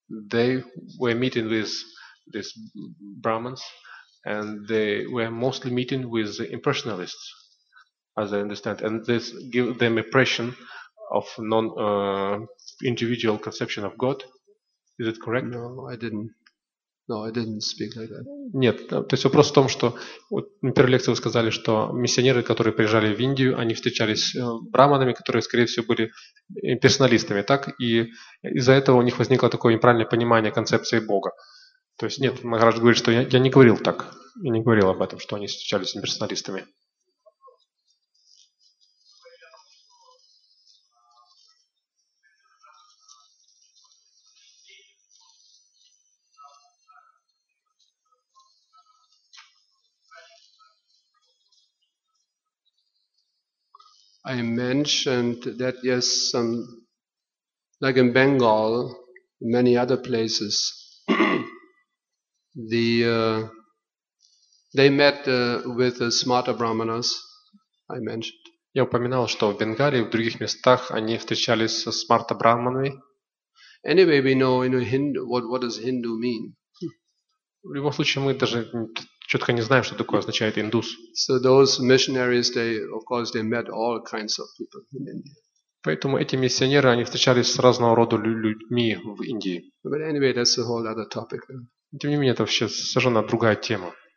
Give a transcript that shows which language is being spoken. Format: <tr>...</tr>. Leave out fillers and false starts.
<en>They were meeting with these Brahmins, and they were mostly meeting with the impersonalists, as I understand. And this gave them impression of non-individual conception of God. Is it correct? No, I didn't. No, I didn't speak like that.</en> <ru>Нет, то есть вопрос в том, что вот на первой лекции вы сказали, что миссионеры, которые приезжали в Индию, они встречались с браманами, которые, скорее всего, были имперсоналистами, так? И из-за этого у них возникло такое неправильное понимание концепции Бога. То есть нет, Махарадж говорит, что я не говорил так. Я не говорил об этом, что они встречались с имперсоналистами.</ru> <en>I mentioned that yes, some like in Bengal, many other places, they met with the smarter brahmanas. I mentioned.</en> <ru>Я упоминал, что в Бенгалии в других местах они встречались со смарта брахманами.</ru> <en>Anyway, we know in Hindu what does Hindu mean.</en> <ru>В любом случае, мы даже четко не знаем, что такое означает индус.</ru> <en>So those missionaries, they, of course, they met all kinds of people in India.</en> <ru>Поэтому эти миссионеры, они встречались с разного рода людьми в Индии.</ru> <en>But anyway, that's a whole other topic.</en> <ru>Тем не менее, это вообще совершенно другая тема.</ru>